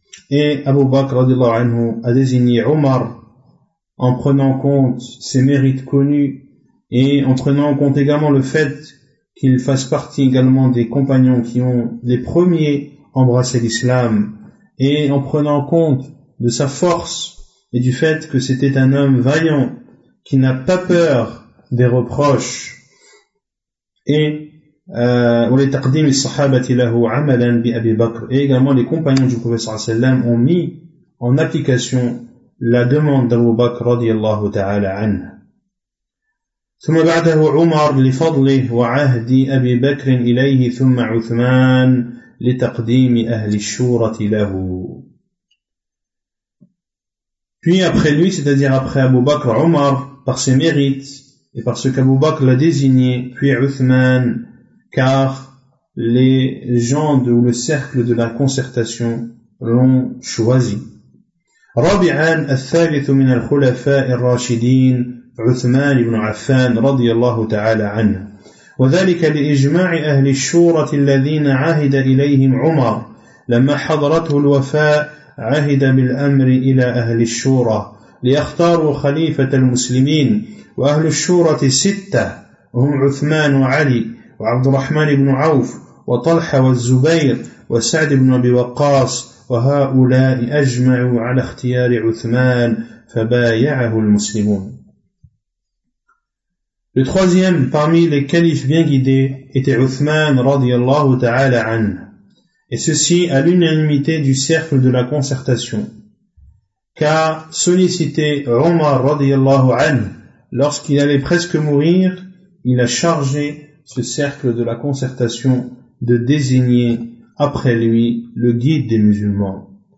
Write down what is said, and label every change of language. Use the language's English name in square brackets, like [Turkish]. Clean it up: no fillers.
[French] Et Abu Bakr radiallahu anhu a désigné Omar en prenant en compte ses mérites connus et en prenant en compte également le fait qu'il fasse partie également des compagnons qui ont les premiers embrassé l'islam et en prenant en compte de sa force et du fait que c'était un homme vaillant qui n'a pas peur des reproches et [Arabic] ولتقديم الصحابة له عملا بأبي بكر. [French] Et également les compagnons du professeur sallam ont mis en application la demande d'Abu Bakr رضي الله تعالى عنه. [Arabic] ثم بعده عمر لفضله وعهد أبي بكر إليه ثم عثمان لتقديم أهل الشورة له. [French] Puis après lui, c'est-à-dire après Abu Bakr, Omar, par ses mérites et parce qu'Abu Bakr l'a désigné, puis Uthman, car les gens ou le cercle de la concertation l'ont choisi. [Arabic] Rabi'an al-thalith min al-khulafa al-rashidin Uthman ibn Affan radiyallahu ta'ala anhu. Wa dhalika li-ijma' ahli al-shura alladhina 'ahida ilayhim Umar lamma hadaratuhu al-wafa' عهد بالأمر إلى أهل الشورى ليختاروا خليفة المسلمين وأهل الشورى ستة هم عثمان وعلي وعبد الرحمن بن عوف وطلحة والزبير وسعد بن أبي وقاص وهؤلاء أجمعوا على اختيار عثمان فبايعه المسلمون. [French] Le troisième parmi les califes bien guidés était Uthman رضي الله تعالى عنه. Et ceci à l'unanimité du cercle de la concertation. Car sollicité Omar radiyallahu anhu, lorsqu'il allait presque mourir, il a chargé ce cercle de la concertation de désigner après lui le guide des musulmans.